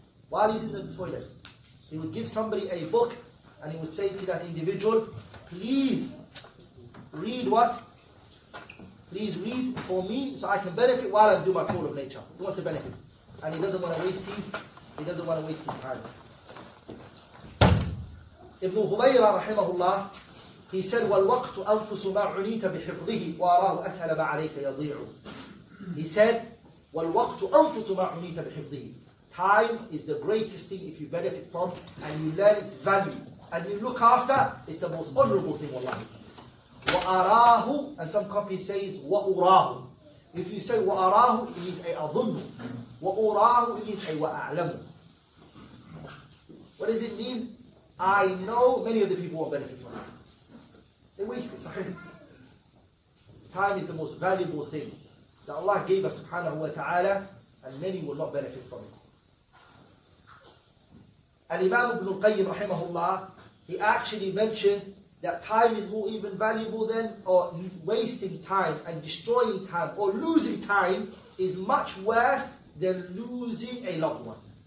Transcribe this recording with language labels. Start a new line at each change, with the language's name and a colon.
English: While he's in the toilet, he would give somebody a book and he would say to that individual, please read what? Please read for me so I can benefit while I do my call of nature. He wants to benefit. And he doesn't want to waste his, he doesn't want to waste his time.
Arabic: Ibn Humayra rahimahullah,
English: he said,
Arabic: والوقت أنفس ما عنيت بحفظه وأراه أسهل ما عليك يضيع.
English: He said,
Arabic: والوقت أنفس ما عنيت بحفظه.
English: Time is the greatest thing if you benefit from and you learn its value and you look after, it's the most honorable thing, wallah. وأراه, and some copies say وأراه. If you say وأراه, it means
Arabic: أي أظن.
English: وأراه, it means
Arabic: أي وأعلم.
English: What does it mean? I know many of the people won't benefit from it. They waste it, sahih. Time is the most valuable thing that Allah gave us, subhanahu wa ta'ala, and many will not benefit from it. Al-Imam ibn al-Qayyim, rahimahullah, he actually mentioned that time is more even valuable than, or wasting time and destroying time or losing time is much worse than losing a loved one.